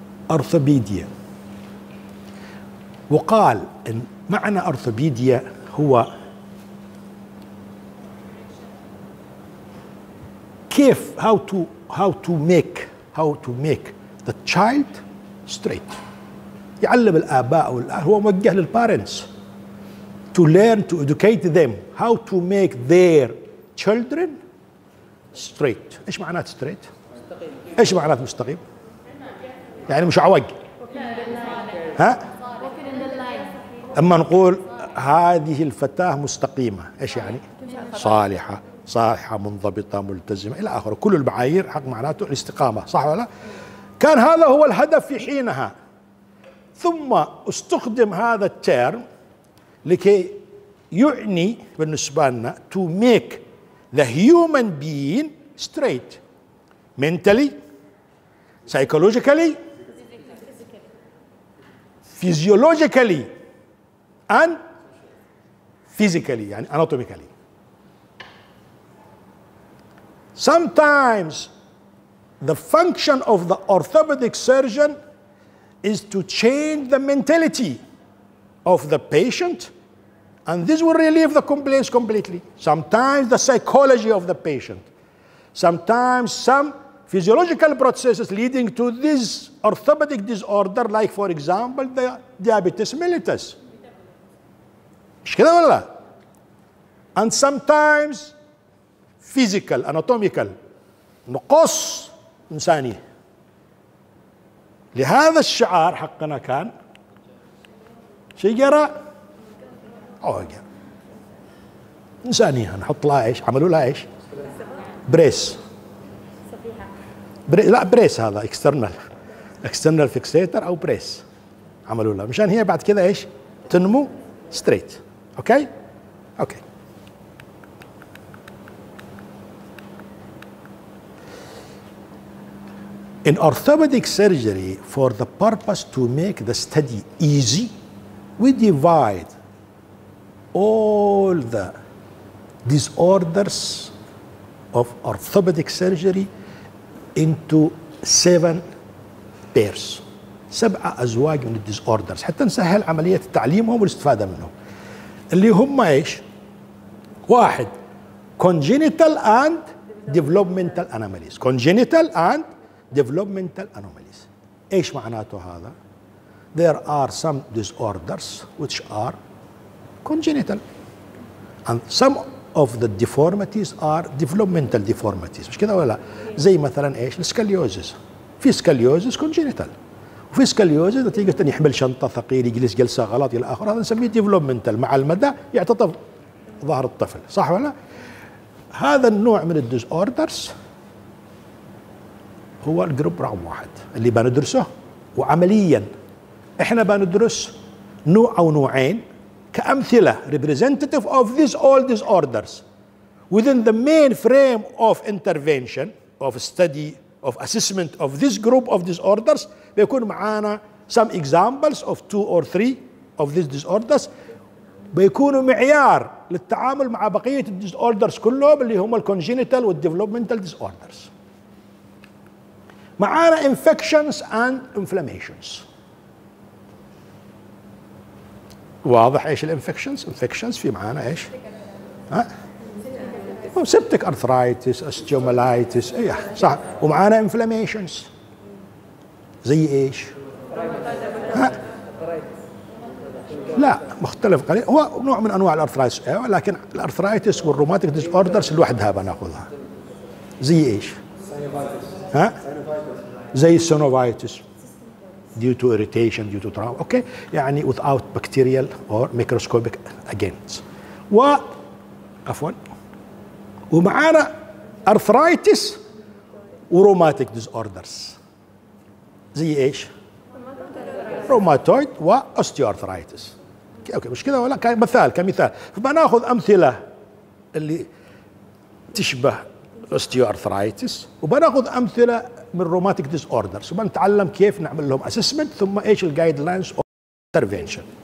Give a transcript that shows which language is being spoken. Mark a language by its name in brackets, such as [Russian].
[Arabic] أرثوبيديا، وقال إن معنى أرثوبيديا هو كيف [English] how to make the child straight. [Arabic] يعلم الآباء والأهل، هو موجه للبارنتس، [English] to learn to educate them how to make their children straight. [Arabic] إيش معنات straight؟ ايش معناه مستقيم؟ يعني مش عوج. ها؟ اما نقول هذه الفتاه مستقيمه ايش يعني؟ صالحه، صالحه منضبطه ملتزمه الى اخره، كل المعايير حق معناته الاستقامه، صح ولا لا؟ كان هذا هو الهدف في حينها، ثم استخدم هذا التيرم لكي يعني بالنسبه لنا [English] to make the human being straight mentally psychologically physiologically and physically يعني anatomically. Sometimes the function of the orthopedic surgeon is to change the mentality of the patient, and this will relieve the complaints completely. Sometimes the psychology of the patient, sometimes some physiological processes leading to this orthopedic disorder, like for example the diabetes mellitus. And sometimes physical, anatomical, [Arabic] نقص إنساني. لهذا الشعار حقنا كان شجرة عوجة إنسانية، نحط لها إيش؟ عملوا لها إيش؟ بريس. لا بريس هذا إكسترنال، إكسترنال فيكسيتر أو بريس عملوا لها، مشان هي بعد كذا إيش؟ تنمو ستريت. [English] Okay? Okay. In orthopedic surgery, for the purpose to make the study easy, we divide all the disorders of orthopedic surgery into 7 pairs. [Arabic] 7 أزواج من disorders. حتى نسهل عملية تعليمهم والاستفادة منهم. اللي هم إيش؟ [English] 1 congenital and developmental anomalies. Congenital and developmental anomalies. [Arabic] ايش معناته هذا؟ [English] There are some disorders which are congenital and some of the deformities are developmental deformities. [Arabic] مش كذا ولا؟ زي مثلا ايش؟ السكاليوزيس. في سكاليوزيس congenital. وفي سكاليوزيس نتيجة يحمل شنطة ثقيل، يجلس جلسة غلط إلى آخره، هذا نسميه developmental، مع المدى يعتطف ظهر الطفل، صح ولا؟ هذا النوع من الديزوردرز هو الجروب رقم 1 اللي بندرسه. وعمليا احنا بندرس نوع او نوعين كامثله [English] representative of these all disorders within the main frame of intervention of study of assessment of this group of disorders. [Arabic] بيكون معانا [English] some examples of 2 or 3 of these disorders، [Arabic] بيكونوا معيار للتعامل مع بقيه الديزوردرز كلهم اللي هم الكونجينيتال والديفلوبمنتال ديزوردرز. [English] معانا infections and inflammations. [Arabic] واضح ايش الانفكشنز؟ infections في معانا ايش؟ ها؟ سيبتك ارثرايتس، استيومالايتس، اي صح. ومعانا inflammations زي ايش؟ ها؟ لا مختلف قليل، هو نوع من انواع الارثرايتس، ولكن الارثرايتس والروماتيك ديس اوردرز لوحدها بناخذها. زي ايش؟ ها؟ زي السينوفايتس [English] due to irritation due to trauma. [Arabic] اوكي يعني [English] without bacterial or microscopic agents. [Arabic] و عفوا ومعانا arthritis وروماتيك disorders زي ايش؟ روماتويد واستيوارثرايتس. اوكي مش كذا ولا؟ كمثال كمثال. فبناخذ امثله اللي تشبه استيوارثرايتس، وبناخذ امثله من روماتيك ديس اوردرز، وبنتعلم كيف نعمل لهم اسسمنت، ثم ايش الجايد لاينز او انترفينشن.